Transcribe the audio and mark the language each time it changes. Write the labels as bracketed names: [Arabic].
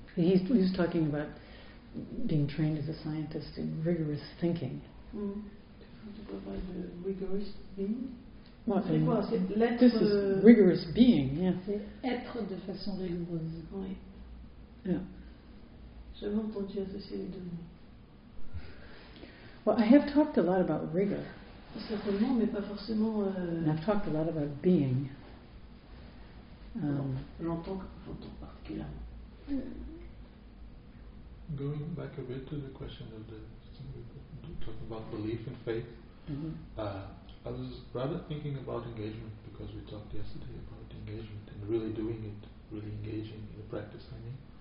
[English] He's talking about being trained as a scientist in rigorous thinking. Mm. To provide a rigorous being? Well, c'est this is rigorous being, yeah. [French] C'est être de façon rigoureuse. Oui. [English] Yeah. [French] J'ai entendu associer les deux mots. [English] Well, I have talked a lot about rigor. [French] Certainement, mais pas forcément. [English] And I've talked a lot about being. [French] J'entends particulièrement. [English] Going back a bit to the question of the talking about belief and faith, mm-hmm. I was rather thinking about engagement, because we talked yesterday about engagement and really doing it, really engaging in the practice, I mean.